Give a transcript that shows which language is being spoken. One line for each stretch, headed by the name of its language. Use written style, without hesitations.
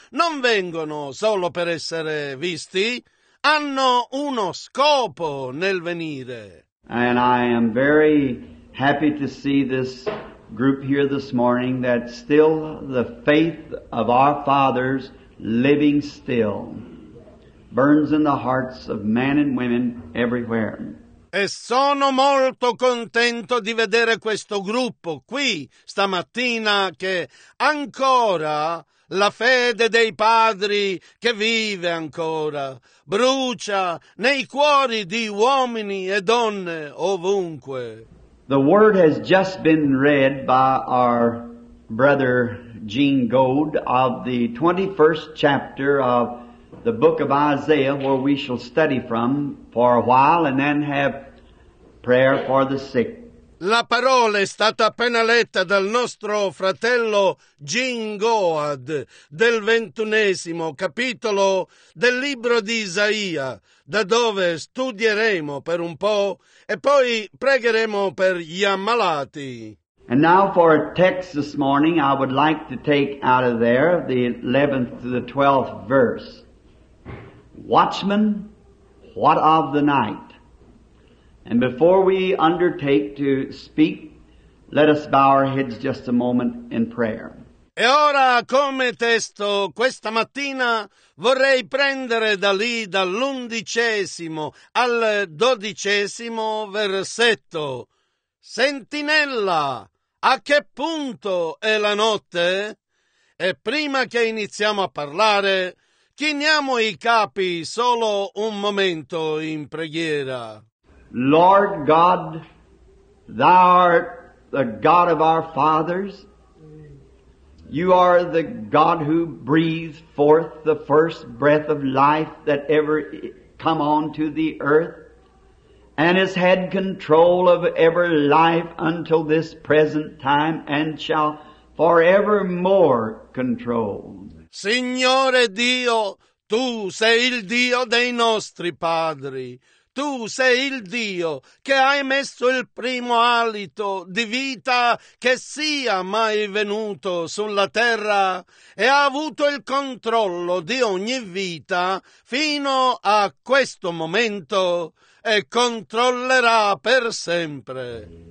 Italian: Non vengono solo per essere visti. Hanno uno scopo nel venire.
English: And I am very happy to see this group here this morning that still the faith of our fathers living still burns in the hearts of men and women everywhere.
Italian: E sono molto contento di vedere questo gruppo qui stamattina che ancora la fede dei padri che vive ancora brucia nei cuori di uomini e donne ovunque.
English: The word has just been read by our brother Gene Gold of the 21st chapter of the book of Isaiah, where we shall study from for a while and then have prayer for the sick.
Italian: La parola è stata appena letta dal nostro fratello Gene Goad del 21° capitolo del libro di Isaia, da dove studieremo per un po' e poi pregheremo per gli ammalati.
English: And now for a text this morning I would like to take out of there the 11th to the 12th verse. Watchmen, what of the night? And before we undertake to speak, let us bow our heads just a moment in prayer.
Italian: E ora, come testo questa mattina, vorrei prendere da lì dall'undicesimo al dodicesimo versetto. Sentinella, a che punto è la notte? E prima che iniziamo a parlare, chiniamo i capi solo un momento in preghiera.
English: Lord God, Thou art the God of our fathers. You are the God who breathed forth the first breath of life that ever come onto the earth and has had control of every life until this present time and shall forevermore control.
Italian: Signore Dio, Tu sei il Dio dei nostri padri. Tu sei il Dio che hai messo il primo alito di vita che sia mai venuto sulla terra e ha avuto il controllo di ogni vita fino a questo momento e controllerà per sempre.